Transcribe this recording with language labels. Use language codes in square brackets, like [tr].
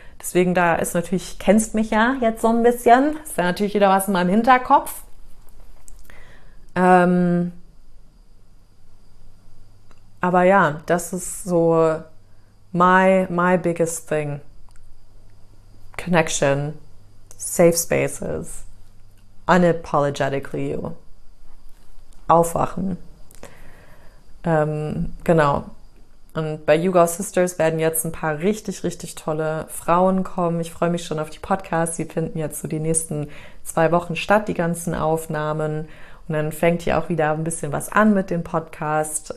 [de] Deswegen, da ist natürlich, kennst mich ja jetzt so ein bisschen, ist da natürlich wieder was in meinem Hinterkopf. Aber ja, das ist so [en] my biggest thing. Connection, safe spaces, unapologetically you. [de] Aufwachen. Genau. Und bei Hugo Sisters werden jetzt ein paar richtig, richtig tolle Frauen kommen. Ich freue mich schon auf die Podcasts. Sie finden jetzt so die nächsten 2 Wochen statt, die ganzen Aufnahmen. Und dann fängt hier auch wieder ein bisschen was an mit dem Podcast.